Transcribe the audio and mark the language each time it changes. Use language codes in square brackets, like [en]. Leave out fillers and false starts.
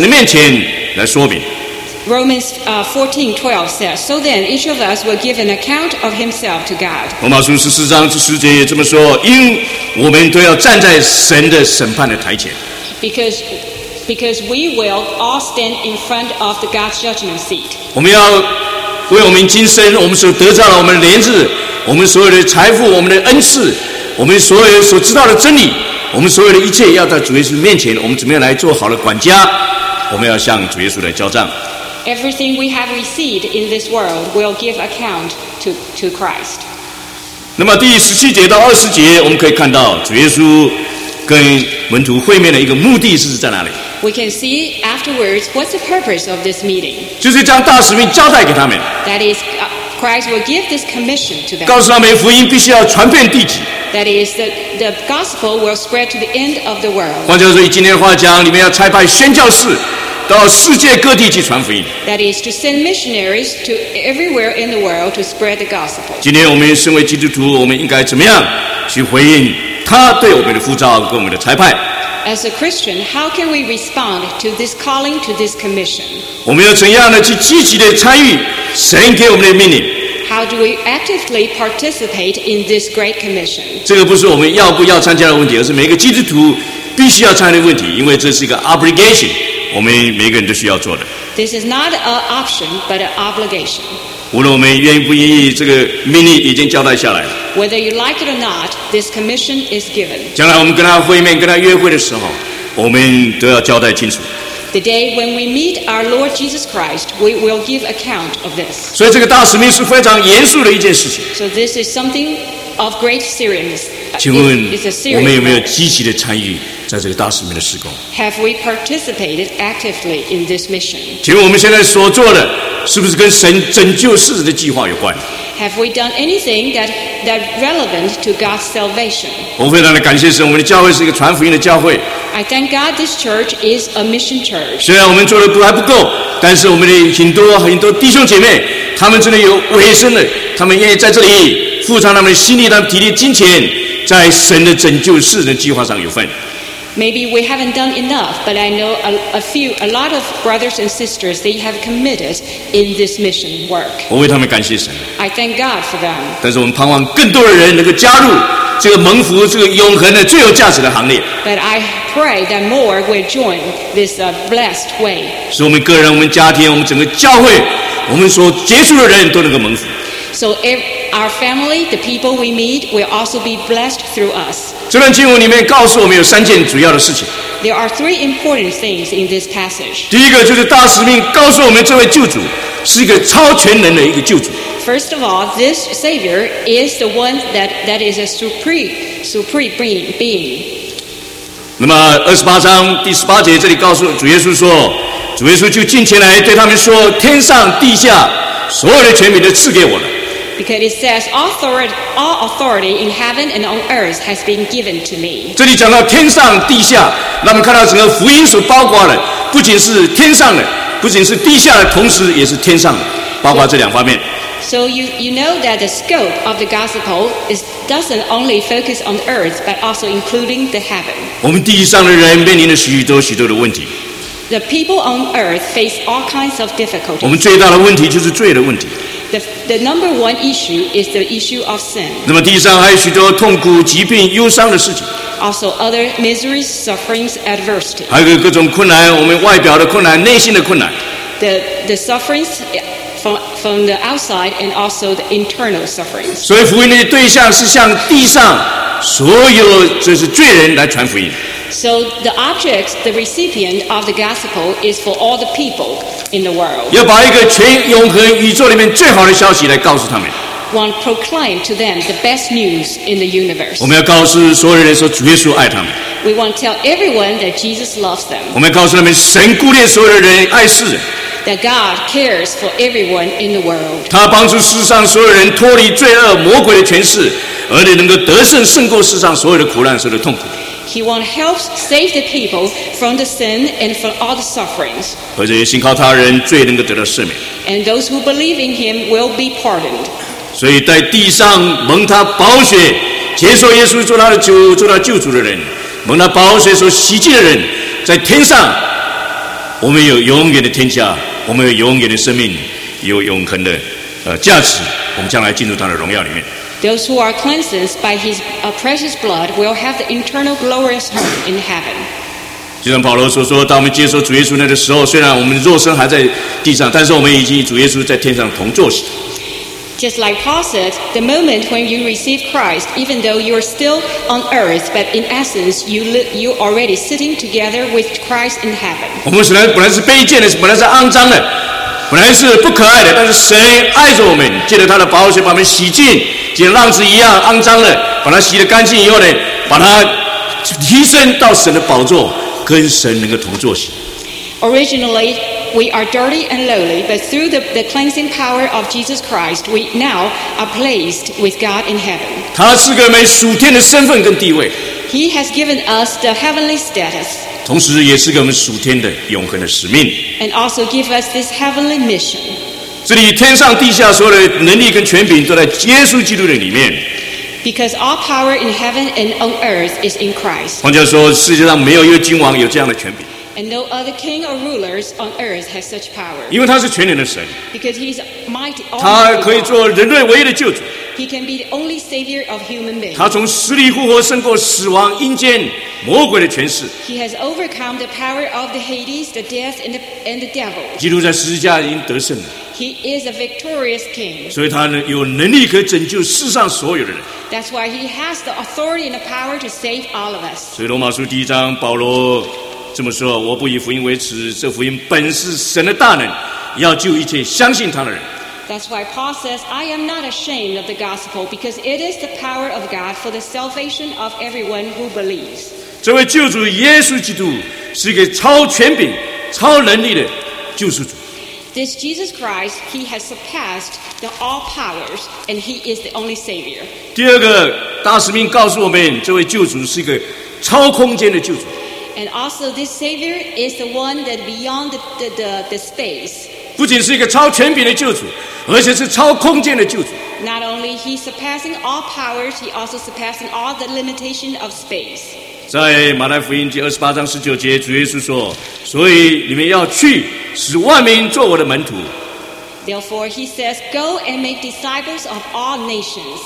[zh] 罗马书14章12节这么说，这样看来，我们个人不要将自己的事在神的面前来说明。 [en] Romans 14:12 says, So then each of us will give an account of himself to God. [zh] 罗马书14章10节也这么说，因我们都要站在神的审判的台前。 [en] Because because we will all stand in front of the God's judgment seat. [zh] 我们要为我们今生我们所得到的我们的连日我们所有的财富我们的恩赐我们所有所知道的真理我们所有的一切要在主耶稣面前我们怎么样来做好的管家我们要向主耶稣来交账。 [en] Everything we have received in this world will give account to Christ. [zh] 那么第十七节到二十节我们可以看到主耶稣跟门徒会面的一个目的是在哪里 [en] We can see afterwards what's the purpose of this meeting. [zh] 就是将大使命交代给他们 [en] That is, Christ will give this commission to them. [zh] 告诉他们福音必须要传遍地极 [en] That is, the gospel will spread to the end of the world. [zh] 换句话说以今天的话讲你们要差派宣教士到世界各地去传福音 [en] That is to send missionaries to everywhere in the world to spread the gospel. [zh] 今天我们身为基督徒我们应该怎么样去回应他对我们的呼召跟我们的差派 [en] As a Christian, how can we respond to this calling, to this commission? [zh] 我们要怎样的去积极的参与神给我们的命令 [en] How do we actively participate in this great commission? [zh] 这个不是我们要不要参加的问题而是每个基督徒必须要参与的问题因为这是一个 obligation 我们每个人都需要做的 [en] This is not an option, but an obligation. [zh] 无论我们愿意不愿意这个命令已经交代下来了 [en] Whether you like it or not, this commission is given. [zh] 将来我们跟他会面、跟他约会的时候，我们都要交代清楚。 [en] The day when we meet our Lord Jesus Christ, we will give account of this. [zh] 所以这个大使命是非常严肃的一件事情。 [en] So this is something of great seriousness. [zh] 请问我们有没有积极的参与在这个大使命的施工 [en] ？Have we participated actively in this mission? [zh] 请问我们现在所做的是不是跟神拯救世人的计划有关？ [en] Have we done anything that relevant to God's salvation? [zh] 我非常的感谢神，我们的教会是一个传福音的教会。 [en] I thank God this church is a mission church. [zh] 虽然我们做的还不够，但是我们的很多弟兄姐妹，他们真的有委身了，他们愿意在这里付上他们的心力、他们体力、金钱，在神的拯救世人的计划上有份。 [en] Maybe we haven't done enough, but I know a lot of brothers and sisters they have committed in this mission work. [zh] 我为他们感谢神。 [en] I thank God for them. [zh] 但是我们盼望更多的人能够加入这个蒙福、这个永恒的最有价值的行列。 [en] But I pray that more will join this blessed way. [zh] 使我们个人、我们家庭、我们整个教会、我们所接触的人都能够蒙福。 [en] So if our family, the people we meet, will also be blessed through us. [zh] 这段经文里面告诉我们有三件主要的事情。 [en] There are three important things in this passage. [zh] 第一个就是大使命告诉我们这位救主是一个超全能的一个救主。 [en] First of all, this Savior is the one that is a supreme being. [zh] 那么二十八章第十八节这里告诉主耶稣说，主耶稣就近前来对他们说，天上地下所有的权柄都赐给我了。 [en] Because it says, all authority in heaven and on earth has been given to me. [zh] 这里讲到天上地下，那我们看到整个福音所包括的，不仅是天上的，不仅是地下的，同时也是天上的，包括这两方面。 [en] So you know that the scope of the gospel doesn't only focus on earth, but also including the heaven. [zh] 我们地上的人面临了许多许多的问题。 [en] The people on earth face all kinds of difficulties. [zh] 我们最大的问题就是罪的问题。 [en] The number one issue is the issue of sin. [zh] 那么地上还有许多痛苦、疾病、忧伤的事情。 [en] Also other miseries, sufferings, adversity. [zh] 还有各种困难，我们外表的困难、内心的困难。 [en] The sufferings from the outside and also the internal sufferings. [zh] 所以福音的对象是向地上所有就是罪人来传福音。 [en] So the object, the recipient of the gospel is for all the people in the world. [zh] 要把一个全永恒宇宙里面最好的消息来告诉他们。 [en] Want to proclaim to them the best news in the universe. [zh] 我们要告诉所有人说主耶稣爱他们。 [en] We want to tell everyone that Jesus loves them. [zh] 我们要告诉他们神顾念所有的人爱世人。 [en] That God cares for everyone in the world. [zh] 他帮助世上所有人脱离罪恶魔鬼的权势，而且能够得胜胜过世上所有的苦难、所有的痛苦。 [en] He wants to help save the people from the sin and from all the sufferings. [zh] 和这些信靠他人罪能够得到赦免。 [en] And those who believe in him will be pardoned. [zh] 所以在地上蒙他宝血接受耶稣做他的主做他救主的人蒙他宝血所洗净的人在天上我们有永远的天下我们有永远的生命有永恒的价值我们将来进入他的荣耀里面。 [en] Those who are cleansed by his precious blood will have the eternal glorious home in heaven. [zh] 就像保罗所说，当我们接受主耶稣那个时候，虽然我们肉身还在地上，但是我们已经与主耶稣在天上同坐时。 [en] Just like Paul said, the moment when you receive Christ, even though you are still on earth, but in essence, you already sitting together with Christ in heaven. [zh] 我们本来是卑贱的，本来是肮脏的，本来是不可爱的，但是神爱着我们，借着他的宝血把我们洗净，就像浪子一样肮脏的，把它洗得干净以后呢，把它提升到神的宝座，跟神能够同坐席。 [en] Originally, we are dirty and lowly, but through the cleansing power of Jesus Christ, we now are placed with God in heaven. [zh] 他赐给我们属天的身份跟地位。 [en] He has given us the heavenly status. [zh] 同时也赐给我们属天的永恒的使命。 [en] And also give us this heavenly mission. [zh] 这里天上地下所有的能力跟权柄都在耶稣基督的里面。 [en] Because all power in heaven and on earth is in Christ. [zh] 换句话说，世界上没有一位君王有这样的权柄。 [en] And no other king or rulers on earth has such power. [zh] 因为他是全能的神。 [en] Because he's mighty. [zh] 他可以做人类唯一的救主。 [en] He can be the only savior of human beings. [zh] 他从死里复活，胜过死亡、阴间、魔鬼的权势。 [en] He has overcome the power of the Hades, the death, and the devil. [zh] 基督在十字架已经得胜了。 [en] He is a victorious king. [zh] 所以他有能力可以拯救世上所有的人。 [en] That's why he has the authority and the power to save all of us. [zh] 所以罗马书第一章保罗这么说，我不以福音为耻，这福音本是神的大能，要救一切相信他的人。 [en] That's why Paul says, I am not ashamed of the gospel, because it is the power of God for the salvation of everyone who believes. [zh] 这位救主耶稣基督是一个超权柄、超能力的救世主。 [en] This Jesus Christ, he has surpassed the all powers, and he is the only savior. [zh] 第二个大使命告诉我们，这位救主是一个超空间的救主。 [en] And also, this savior is the one that beyond the space. [zh] 不仅是一个超权柄的救主，而且是超空间的救主。 [en] Not only he surpassing all powers, he also surpassing all the limitation of space. [zh] 在马太福音第二十八章十九节，主耶稣说：“所以你们要去，使万民做我的门徒。” [en] Therefore, he says, "Go and make disciples of all nations."